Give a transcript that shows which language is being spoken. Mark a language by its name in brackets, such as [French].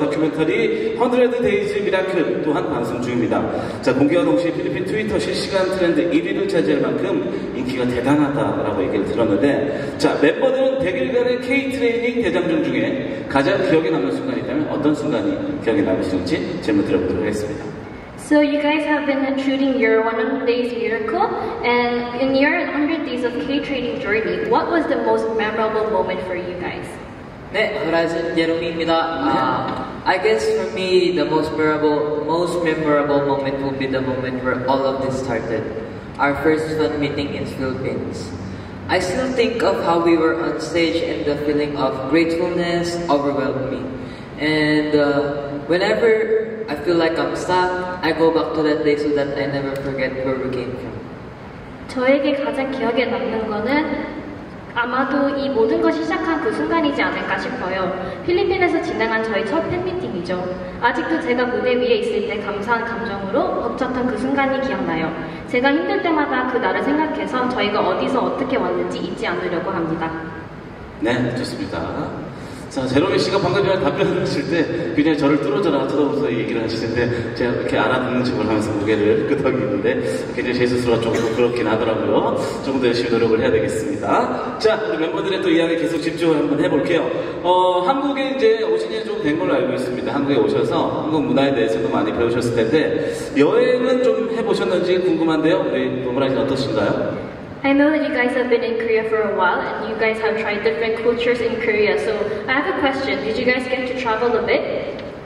[Korean] 다큐멘터리 100 Days Miracle 또한 방송 중입니다. 자, 공개와 동시에 필리핀 트위터 실시간 트렌드 1위를 차지할 만큼 인기가 대단하다라고 얘기를 들었는데, 자, 멤버들은 100일간의 K-트레이닝 대장정 중에 가장 기억에 남는 순간이 있다면 어떤 순간이 기억에 남으실지 질문 드려보도록 하겠습니다. [English] So you guys have been shooting your 100 Days Miracle, and in your 100 Days of K-Trading journey, what was the most memorable moment for you guys? [Korean] 네, 호라이즌 예롱입니다. [English] I guess for me, the most memorable moment would be the moment where all of this started, our first fan meeting in Philippines. I still think of how we were on stage and the feeling of gratefulness overwhelmed me. And whenever I feel like I'm stuck, I go back to that day so that I never forget where we came from. [Korean] 저에게 가장 기억에 남는 거는 아마도 이 모든 것이 시작한 그 순간이지 않을까 싶어요. 필리핀에서 진행한 저희 첫 팬미팅이죠. 아직도 제가 무대 위에 있을 때 감사한 감정으로 벅찼던 그 순간이 기억나요. 제가 힘들 때마다 그 날을 생각해서 저희가 어디서 어떻게 왔는지 잊지 않으려고 합니다. 네, 좋습니다. 자, 제롬이 씨가 방금 전에 답변을 하실 때 굉장히 저를 뚫어져라 쳐다보면서 얘기를 하시는데, 제가 이렇게 알아듣는 척을 하면서 무게를 끄덕이는데 굉장히 제 스스로가 조금 더 그렇긴 하더라고요. 조금 더 열심히 노력을 해야 되겠습니다. 자, 우리 멤버들의 또 이야기 계속 집중을 한번 해볼게요. 한국에 이제 오신 지 좀 된 걸로 알고 있습니다. 한국에 오셔서 한국 문화에 대해서도 많이 배우셨을 텐데, 여행은 좀 해보셨는지 궁금한데요. 우리 노무라이즈 어떠신가요? [English] I know that you guys have been in Korea for a while and you guys have tried different cultures in Korea. So I have a question. Did you guys get to travel a bit?